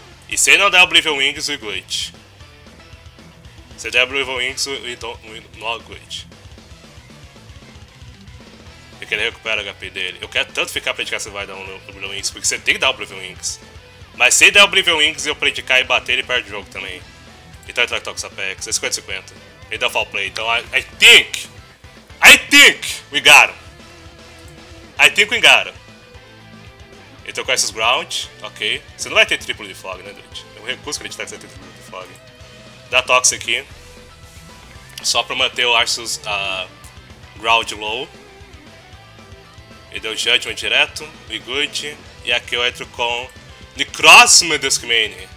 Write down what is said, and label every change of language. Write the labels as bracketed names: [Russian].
[Portuguese] E se ele não der Oblivion Wings, [English] we good. [Portuguese] Se ele der Oblivion Wings, [English] we not good. [Portuguese] Porque ele recupera o HP dele. Eu quero tanto ficar pra indicar se vai dar um Oblivion Wings, porque você tem que dar o Oblivion Wings. Mas se ele der o Oblivion Wings e eu predicar e bater, ele perde o jogo também. Então ele traga Toxic Apex, é 50-50. Ele deu foul play, então [English] I think we got him. [Portuguese] I think we got him. Então com esses ground, ok. Você não vai ter triplo de fog, né, dude? Eu recuso acreditar que você tem triplo de fog. Dá Toxic aqui. Só pra manter o Arceus ground low. Ele deu Judgment direto, [English] we good. [Portuguese] E aqui eu entro com Necrozma Duskmane.